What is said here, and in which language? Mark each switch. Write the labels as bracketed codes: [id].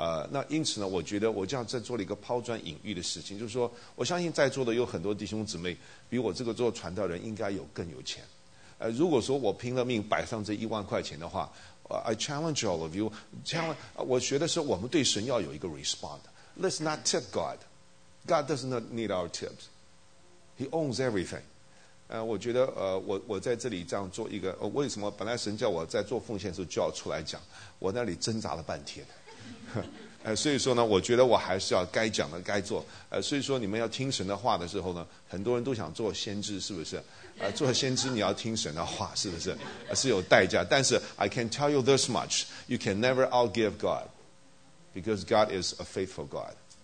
[zh] 那因此呢，我觉得我这样在做了一个抛砖引玉的事情，就是说我相信在座的有很多弟兄姊妹比我这个做传道人应该有更有钱。如果说我拼了命摆上这10000块钱的话， [en] I challenge all of you， [zh] 我觉得是我们对神要有一个 respond。 [en] Let's not tip God， God does not need our tips， He owns everything。 [zh] 我觉得我在这里这样做一个，为什么本来神叫我在做奉献的时候就要出来讲，我那里挣扎了半天，所以说呢，我觉得我还是要该讲的该做。所以说你们要听神的话的时候呢，很多人都想做先知，是不是？做先知你要听神的话，是不是？是有代价。但是 [en] I can tell you this much, you can never outgive God, because God is a faithful God.